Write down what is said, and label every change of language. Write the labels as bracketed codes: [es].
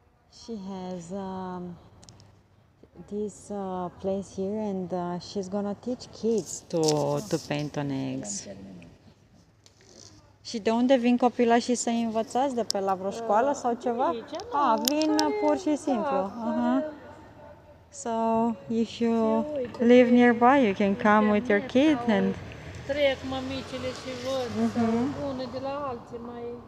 [en] She has this place here, and she's gonna teach kids to paint on eggs. [ro] Și de unde vin copila și să-i învățați? De pe la vreo școală sau ceva? Ah, vin pur și simplu. [en] So, if you live nearby, you can come with your kid and... [ro] Trec mămicile și văd, une de la alții mai...